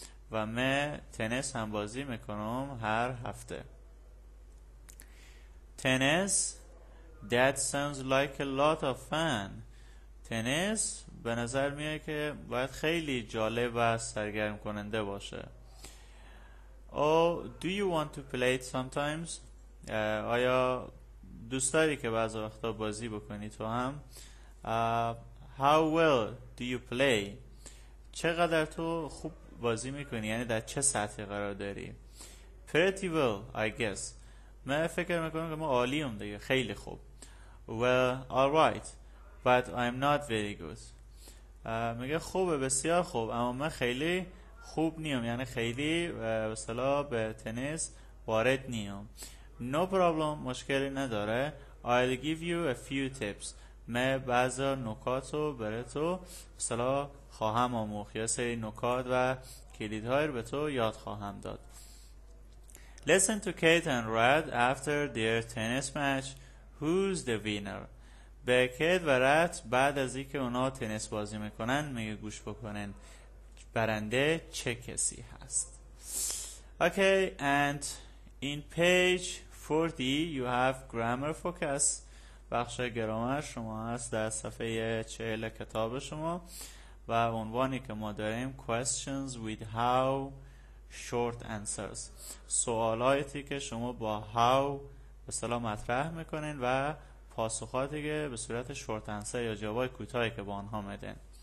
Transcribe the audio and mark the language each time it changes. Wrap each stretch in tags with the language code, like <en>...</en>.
<fa>و من تنس هم بازی میکنم هر هفته.</fa> <en>Tennis That sounds like a lot of fun.</en> <fa>تنس به نظر میاد که باید خیلی جالب و سرگرم کننده باشه.</fa> <en>Do you want to play it sometimes?</en> <fa>آیا دوست داری که بعض وقتا بازی بکنی تو هم؟</fa> <en>How well do you play?</en> <fa>چقدر تو خوب بازی میکنی؟ یعنی در چه سطحی قرار داری؟</fa> <en>Pretty well, I guess.</en> <fa>من فکر میکنم که ما عالیم دیگه، خیلی خوب.</fa> <en>Well, all right, but I'm not very good.</en> <fa>میگه خوبه، بسیار خوب، اما من خیلی خوب نیم، یعنی خیلی به اصطلاح به تنس وارد نیم.</fa> <en>No problem،</en> <fa>مشکلی نداره.</fa> <en>I'll give you a few tips.</en> <fa>من بعض نکات رو برای تو به اصطلاح خواهم آموخت، یه سری نکات و کلیدهای رو به تو یاد خواهم داد.</fa> <en>Listen to Kate and Rad after their tennis match. Who's the winner?</en> <fa>به کیت و رد بعد از اینکه اونا تنس بازی میکنن میگه گوش بکنن برنده چه کسی هست.</fa> <en>Okay, and in page 40 you have grammar focus.</en> <fa>بخش گرامر شما هست در صفحه 40 کتاب شما و عنوانی که ما داریم</fa> <en>questions with how short answers،</en> <fa>سوالاتی که شما با how به اصطلاح مطرح میکنین و پاسخاتی که به صورت شورت انسر یا جوابای کوتاهی که با آنها میدن.</fa>